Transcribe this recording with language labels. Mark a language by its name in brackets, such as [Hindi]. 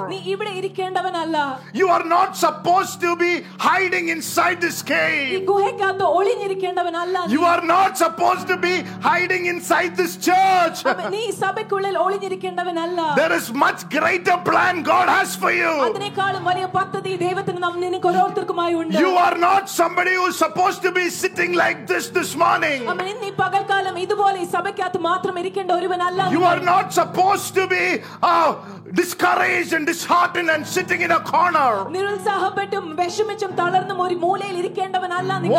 [Malayalam] Nee ivide irikkendavanalla. [English] You are not supposed to be hiding inside this cave. [Malayalam] Ee guhaykkathu olinjirikkendavanalla. [English] You are not supposed to be hiding inside this church. [Malayalam] Nee sabakkullil olinjirikkendavanalla. [English] There is much greater plan God has for you. [Malayalam] അതിനേക്കാളും വലിയ പദ്ധതി ദൈവത്തിന് നിനക്ക് ഓരോരുത്തർക്കുമായി ഉണ്ട്. [English] You are not somebody who is supposed to be sitting like this morning. [Malayalam] അമ്മേ നീ പകൽക്കാലം ഇതുപോലെ ഈ സഭയ്ക്കകത്ത് മാത്രം ഇരിക്കേണ്ട ഒരുവനല്ല. [English] You are not supposed to be discouraged and disheartened and sitting in a corner. [Malayalam] നിരുത്സാഹപ്പെട്ടും വിഷമിച്ചും തളർന്ന ഒരു മൂലയിൽ ഇരിക്കേണ്ടവനല്ല നിങ്ങൾ.